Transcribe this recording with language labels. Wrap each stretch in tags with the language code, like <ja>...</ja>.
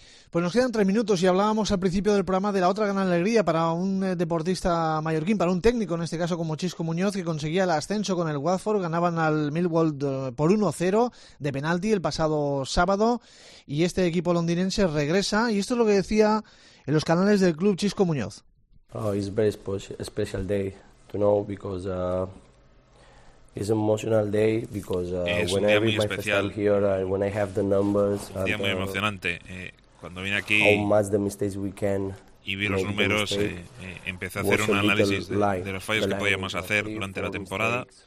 <es>Pues nos quedan 3 minutos y hablábamos al principio del programa de la otra gran alegría para un deportista mallorquín, para un técnico en este caso como Chisco Muñoz, que conseguía el ascenso con el Watford. Ganaban al Millwall por 1-0 de penalti el pasado sábado, y este equipo londinense regresa, y esto es lo que decía en los canales del club Chisco Muñoz.</es> <en>Oh, it's very special day to know because it's an emotional day because when I read my first time here and when I have the numbers,</en> <es>un día muy emocionante. Cuando vine aquí y vi los números, empecé a hacer un análisis de los fallos que podíamos hacer durante la temporada.</es>